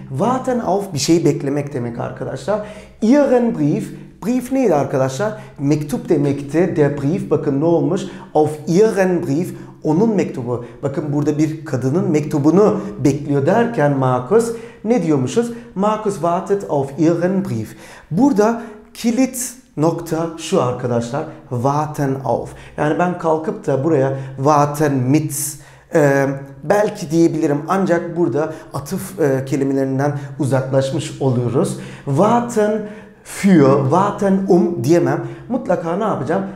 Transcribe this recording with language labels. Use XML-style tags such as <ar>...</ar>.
<tr>Warten auf bir şeyi beklemek demek arkadaşlar.</tr> <de>Ihren Brief.</de> <tr>Brief neydi arkadaşlar? Mektup demekti.</tr> <de>Der Brief.</de> <tr>Bakın ne olmuş?</tr> <de>Auf ihren Brief.</de> <tr>Onun mektubu. Bakın burada bir kadının mektubunu bekliyor derken Markus ne diyormuşuz?</tr> <de>Markus wartet auf ihren Brief.</de> <tr>Burada kilit nokta şu arkadaşlar. Warten auf. Yani ben kalkıp da buraya warten mit belki diyebilirim. Ancak burada atıf kelimelerinden uzaklaşmış oluyoruz. Warten für, warten diyemem. Mutlaka ne yapacağım?</tr>